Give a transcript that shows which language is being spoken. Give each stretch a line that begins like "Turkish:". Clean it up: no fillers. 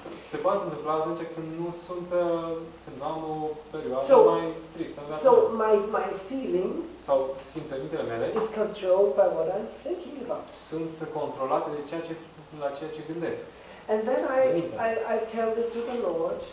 Romanian: Se poate întâmpla atunci când nu sunt, când am o perioadă mai tristă.
English: So my feeling
Romanian: sau simțămintele mele
English: is controlled by what I'm thinking about.
Romanian: Sunt controlate de ceea ce la ceea ce gândesc.
English: And then I tell this to the Lord.